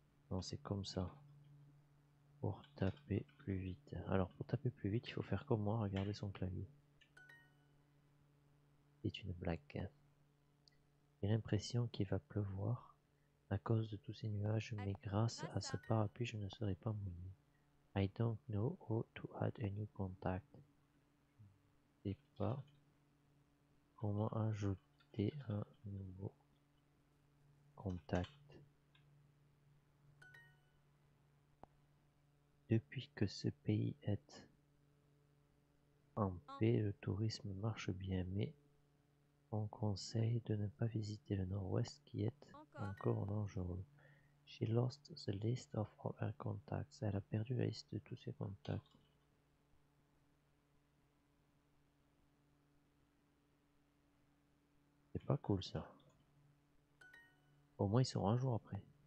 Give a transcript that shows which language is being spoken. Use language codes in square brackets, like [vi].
[fr] Non, c'est comme ça. Pour taper plus vite. Alors, pour taper plus vite, il faut faire comme moi, regarder son clavier. C'est une blague. J'ai l'impression qu'il va pleuvoir à cause de tous ces nuages, mais grâce à ce parapluie, je ne serai pas mouillé. [en] I don't know how to add a new contact. [fr] Je ne sais pas comment ajouter un nouveau contact. Depuis que ce pays est en paix, le tourisme marche bien, mais on conseille de ne pas visiter le nord-ouest qui est encore dangereux. [en] She lost the list of all her contacts. [fr] Elle a perdu la liste de tous ses contacts. C'est pas cool ça. Au moins ils seront un jour après.